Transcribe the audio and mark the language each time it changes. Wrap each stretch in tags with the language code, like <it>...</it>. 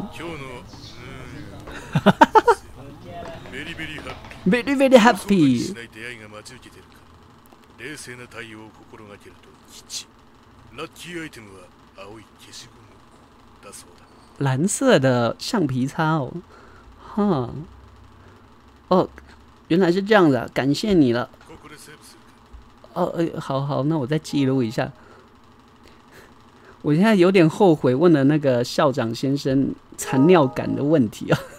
<en>哈哈哈哈 ！Very very happy。</en> <ja>冷静な対応を心がけると吉。ラッキーアイテムは青い消しゴムだそうだ。</ja> <zh>蓝色的橡皮擦哦，哈，哦，原来是这样的，感谢你了。哦，好好，那我再记录一下。我现在有点后悔问了那个校长先生残尿感的问题啊。</zh>